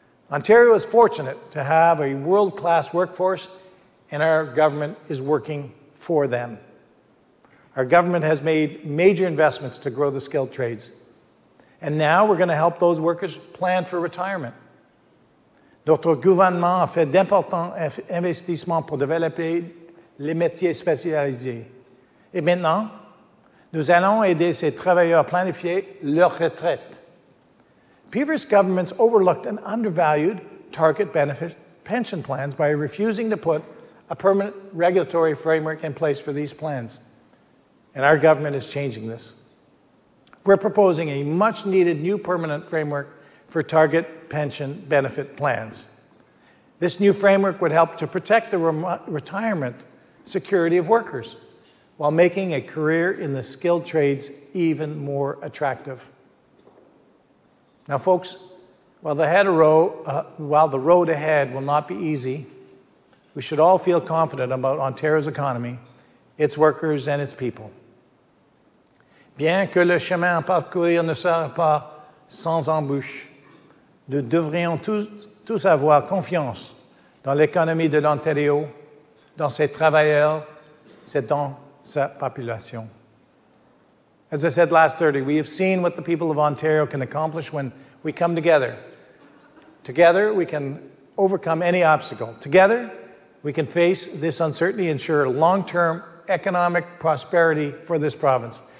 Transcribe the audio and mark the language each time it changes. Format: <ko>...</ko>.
<en>Ontario is fortunate to have a world-class workforce, and our government is working for them. Our government has made major investments to grow the skilled trades. And now we're going to help those workers plan for retirement.</en> <fr>Notre gouvernement a fait d'importants investissements pour développer les métiers spécialisés. Et maintenant, nous allons aider ces travailleurs à planifier leur retraite.</fr> <en>Previous governments overlooked and undervalued target benefit pension plans by refusing to put a permanent regulatory framework in place for these plans. And our government is changing this. We're proposing a much-needed new permanent framework for target pension benefit plans. This new framework would help to protect the retirement security of workers while making a career in the skilled trades even more attractive. Now, folks, while the road ahead will not be easy, we should all feel confident about Ontario's economy, its workers, and its people.</en> <fr>Bien que le chemin parcouru ne sera pas sans embûches, nous devrions tous avoir confiance dans l'économie de l'Ontario, dans ses travailleurs, et dans sa population.</fr> <en>As I said last Thursday, we have seen what the people of Ontario can accomplish when we come together. Together, we can overcome any obstacle. Together, we can face this uncertainty, ensure long-term economic prosperity for this province.</en>